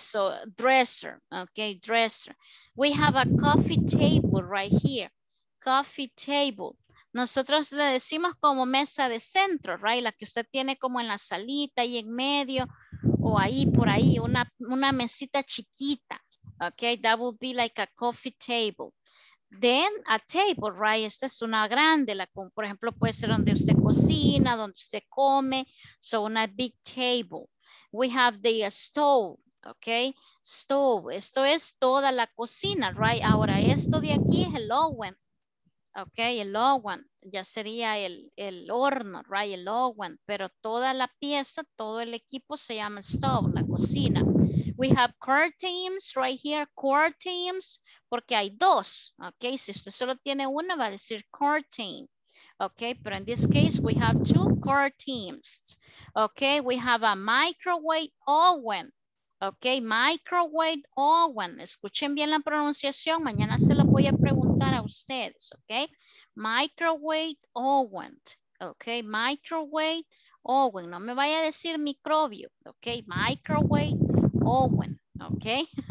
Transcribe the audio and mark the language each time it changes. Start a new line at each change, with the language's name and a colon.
English: So, dresser, okay, dresser. We have a coffee table right here. Coffee table.
Spanish: Nosotros le decimos como mesa de centro, right? La que usted tiene como en la salita y en medio o ahí por ahí, una mesita chiquita.
English: Okay, that would be like a coffee table. Then a table, right?
Spanish: Esta es una grande, la, por ejemplo, puede ser donde usted cocina, donde usted come.
English: So, una big table. We have the stove, okay? Stove.
Spanish: Esto es toda la cocina, right? Ahora, esto de aquí es el oven, okay? El oven. Ya sería el horno, right? El oven. Pero toda la pieza, todo el equipo se llama stove, la cocina.
English: We have curtains right here, curtains,
Spanish: porque hay dos,
English: okay?
Spanish: Si usted solo tiene una, va a decir curtain, okay?
English: But in this case, we have two curtains, okay? We have a microwave oven, okay? Microwave oven.
Spanish: Escuchen bien la pronunciación, mañana se lo voy a preguntar a ustedes, okay?
English: Microwave oven, okay? Microwave oven.
Spanish: No me vaya a decir microbio, okay? Microwave oven, ok.